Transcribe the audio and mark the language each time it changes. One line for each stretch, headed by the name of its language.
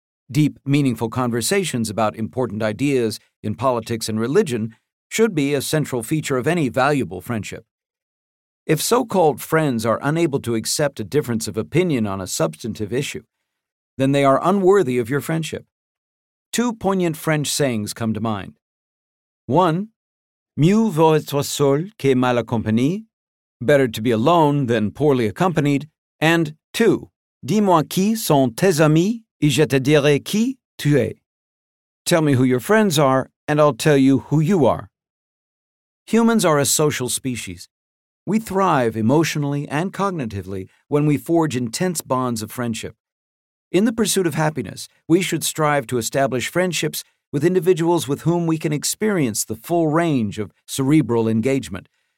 English: Deep, meaningful conversations about important ideas in politics and religion should be a central feature of any valuable friendship. If so-called friends are unable to accept a difference of opinion on a substantive issue, then they are unworthy of your friendship. Two poignant French sayings come to mind. One,
French: mieux vaut être seul que mal accompagné,
English: better to be alone than poorly accompanied, and two,
French: dis-moi qui sont tes amis et je te dirai qui tu es.
English: Tell me who your friends are, and I'll tell you who you are. Humans are a social species. We thrive emotionally and cognitively when we forge intense bonds of friendship. In the pursuit of happiness, we should strive to establish friendships with individuals with whom we can experience the full range of cerebral engagement.